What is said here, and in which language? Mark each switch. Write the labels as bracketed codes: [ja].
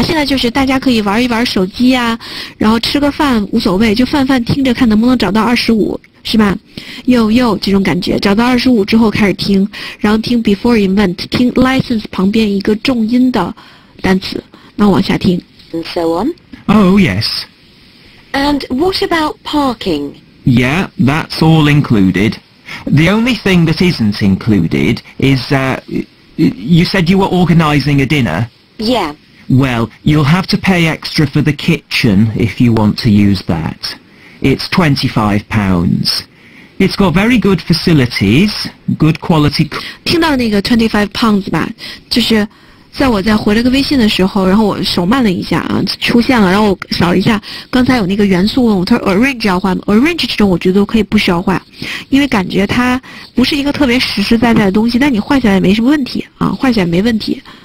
[zh] 现在就是大家可以玩一玩手机啊，然后吃个饭无所谓，就泛泛听着看能不能找到25，是吧？又又这种感觉，找到25之后开始听，然后听 [en] before invent， [zh] 听 license 旁边一个重音的单词，那往下听。 [en] And so on. Oh yes. And what about parking? Yeah, that's all included. The only thing that isn't included is you said you were organizing a dinner. Yeah. Well, you'll have to pay extra for the kitchen if you want to use that. It's £25. It's got very good facilities, good quality. [zh] 听到那个 £25 吧，就是在我在回了个微信的时候，然后我手慢了一下啊，出现了，然后我扫了一下，刚才有那个元素问我，他说 arrange 要换吗 ？arrange 这种我觉得都可以不需要换，因为感觉它不是一个特别实实在在的东西，但你换下来没什么问题啊，换下来没问题。